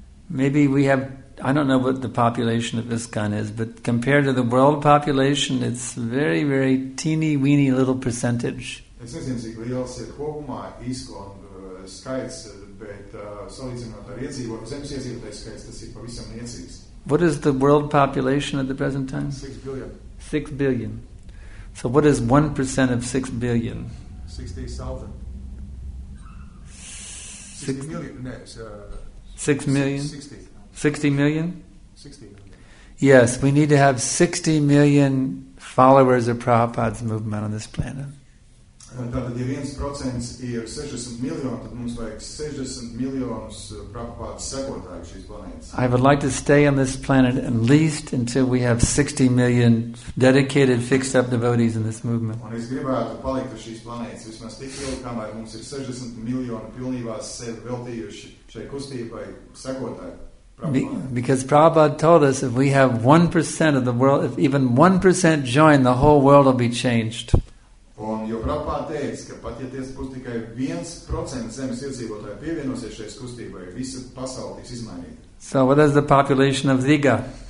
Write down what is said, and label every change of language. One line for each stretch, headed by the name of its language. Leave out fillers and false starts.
English: Maybe we have, I don't know what the population of ISKCON is, but compared to the world population, it's very, very teeny weeny little percentage.
Latvian: Es nezinu, cik liels ir kopumā ISKCON skaits, bet salīdzinot ar iedzīvotāju, zemes iedzīvotāju skaits, tas ir pavisam niecīgs.
English: What is the world population at the present time? 6 billion. 6 billion. So what is 1% of 6 billion? 60,000. 60 million? Six million? 60 million? 60 million. Yes, we need to have 60 million followers of Prabhupada's movement on this planet.
Latvian: Tātad, ja 1% ir 60 miljoni, tad mums vajag 60 miljonus Prabhupādas sekotāju šīs planētas.
English: I would like to stay on this planet at least until we have 60 million dedicated, fixed-up devotees in this movement.
Latvian: Un es gribētu palikt uz šīs planētas vismaz tik ilgi, kamēr mums ir 60 miljoni pilnībā sevi veltījuši šai kustībai sekotāju.
English: Because Prabhupada told us if we have 1% of the world, if even 1% join, the whole world will be changed.
Latvian: Un jo Prabhupāda teica, ka pat ja tiesa būs tikai 1% zemes iedzīvotāji pievienosies šai kustībai, visa pasaule tiks izmainīta.
English: So what is the population of Riga?